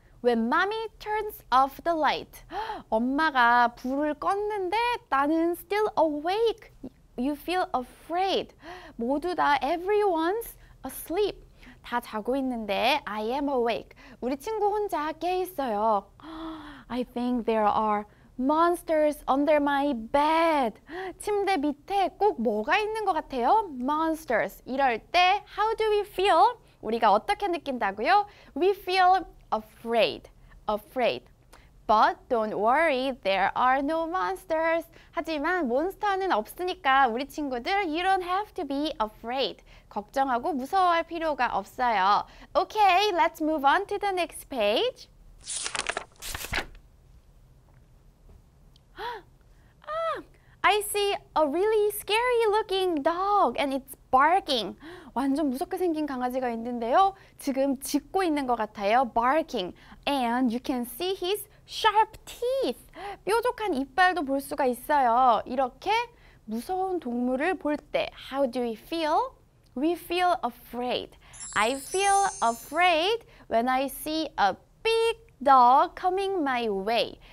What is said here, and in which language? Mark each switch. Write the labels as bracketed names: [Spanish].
[English] When mommy turns off the light. [Korean] 엄마가 불을 껐는데 나는 [English] still awake. You feel afraid. [Korean] 모두 다 [English] everyone's asleep. [Korean] 다 자고 있는데 [English] I am awake. [Korean] 우리 친구 혼자 깨 있어요. [English] I think there are monsters under my bed. [Korean] 침대 밑에 꼭 뭐가 있는 것 같아요? [English] Monsters. [Korean] 이럴 때 [English] how do we feel? [Korean] 우리가 어떻게 느낀다고요? [English] We feel afraid. Afraid. But don't worry, there are no monsters. [Korean] 하지만 몬스터는 없으니까 우리 친구들, [English] you don't have to be afraid. [Korean] 걱정하고 무서워할 필요가 없어요. [English] Okay, let's move on to the next page. 아, I see a really scary looking dog and it's barking. [Korean] 완전 무섭게 생긴 강아지가 있는데요. 지금 짖고 있는 것 같아요. [English] Barking. And you can see his sharp teeth. [Korean] 뾰족한 이빨도 볼 수가 있어요. 이렇게 무서운 동물을 볼 때 [English] How do we feel? We feel afraid. I feel afraid when I see a big dog coming my way.